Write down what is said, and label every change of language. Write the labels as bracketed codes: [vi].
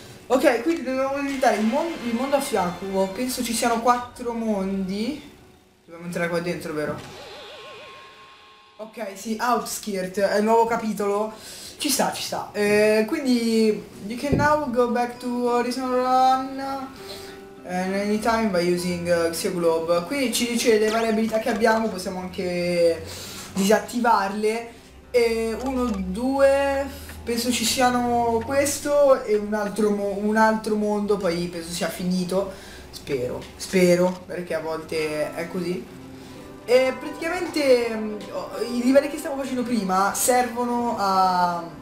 [it] Ok, quindi dobbiamo visitare il mondo a fianco. Penso ci siano quattro mondi. Dobbiamo entrare qua dentro, vero? Ok, sì, Outskirt, è il nuovo capitolo. Ci sta, ci sta. [en] Quindi, you can now go back to Horizon Run and anytime by using Sea Globe. [it] Qui ci dice le varie abilità che abbiamo, possiamo anche disattivarle. E uno, due... Penso ci siano questo e un altro mondo, poi penso sia finito. Spero, perché a volte è così. E praticamente i livelli che stavo facendo prima servono a...